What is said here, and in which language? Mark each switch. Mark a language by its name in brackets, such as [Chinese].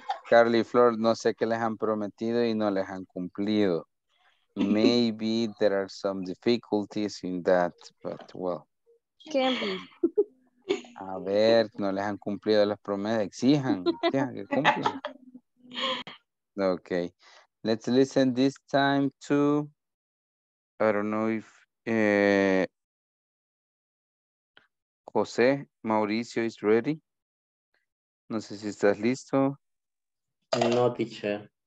[Spanish] Carly Flor, no sé qué les han prometido y no les han cumplido. [English] Maybe there are some difficulties in that, but well. Can't be. [Spanish] A ver, no les han cumplido las promesas. Exijan que cumplan. Okay. [English] Let's listen this time to, I don't know if, José Mauricio is ready. [Spanish] No sé si estás listo. [English] No, teacher.